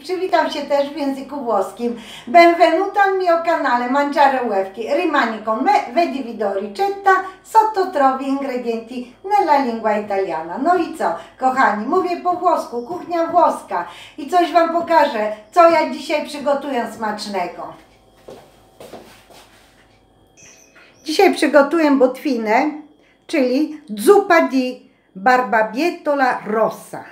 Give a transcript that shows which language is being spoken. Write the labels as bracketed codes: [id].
[pl] Przywitam się też w języku włoskim. [it] Benvenuta al mio canale Mangiare Łewki. Rimani con me, vedi video ricetta, sotto trovi ingredienti nella lingua italiana. [pl] No i co, kochani, mówię po włosku, kuchnia włoska. I coś wam pokażę, co ja dzisiaj przygotuję smacznego. Dzisiaj przygotuję botwinę, czyli zupa [it] di barbabietola rossa.